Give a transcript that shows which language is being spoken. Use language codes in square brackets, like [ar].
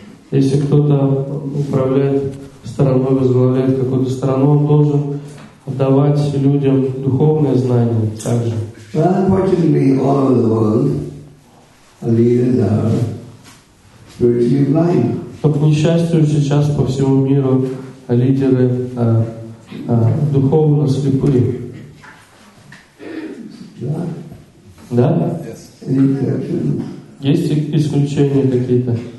[ru] Если кто-то управляет страной, возглавляет какую-то страну, он должен давать людям духовные знания также. [en] Unfortunately, all over the world, leaders are spiritually blind. [ru] Но, к несчастью, сейчас по всему миру лидеры духовно слепы. Да? Да? [en] Yes. [ru] Есть исключения какие-то?